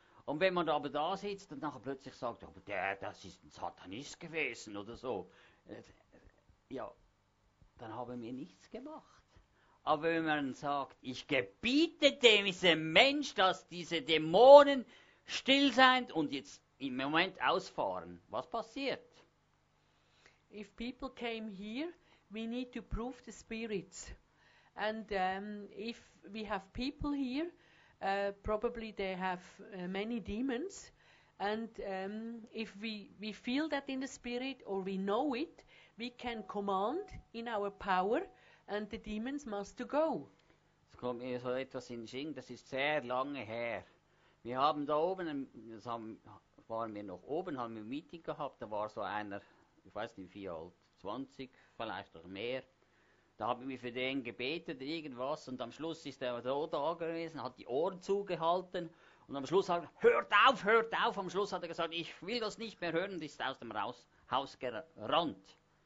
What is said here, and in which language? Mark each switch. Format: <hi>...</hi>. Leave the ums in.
<de>Und wenn man aber da sitzt und nachher plötzlich sagt, aber der, das ist ein Satanist gewesen oder so, ja, dann haben wir nichts gemacht. Aber wenn man sagt, ich gebiete diesem Mensch, dass diese Dämonen still sind und jetzt im Moment ausfahren, was passiert?</de> <en>If people came here, we need to prove the spirits. And um, if we have people here, uh, probably they have uh, many demons. And um, if we, we feel that in the spirit or we know it, we can command in our power and the demons must to go.</en> <de>Es kommt mir so etwas in den Sinn, das ist sehr lange her. Wir haben da oben, das haben, waren wir noch oben, haben wir ein Meeting gehabt, da war so einer, ich weiß nicht wie alt, 20, vielleicht noch mehr. Da haben wir für den gebetet, irgendwas, und am Schluss ist er so da gewesen, hat die Ohren zugehalten, und am Schluss hat er gesagt: hört auf, hört auf, am Schluss hat er gesagt, ich will das nicht mehr hören, und ist aus dem Haus gerannt.</de>